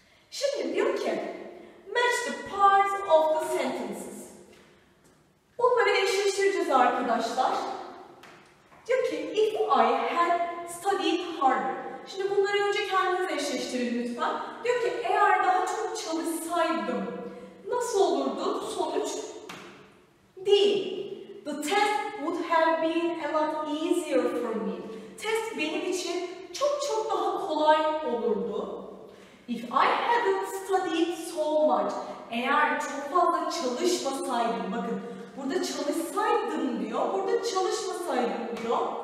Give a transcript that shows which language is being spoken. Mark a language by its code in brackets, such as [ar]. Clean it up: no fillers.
[tr] Şimdi diyor ki, [en] match the parts of the sentences. [tr] Bunları eşleştireceğiz arkadaşlar. Diyor ki, [en] if I had studied harder. [tr] Şimdi bunları önce kendiniz eşleştirin lütfen. Diyor ki, eğer daha çok çalışsaydım nasıl olurdu? Sonuç değil. [en] The test would have been a lot easier for me. [tr] test benim için çok çok daha kolay olurdu. [en] If I hadn't studied so much, [tr] eğer çok fazla çalışmasaydım, bakın burada çalışsaydım diyor, burada çalışmasaydım diyor.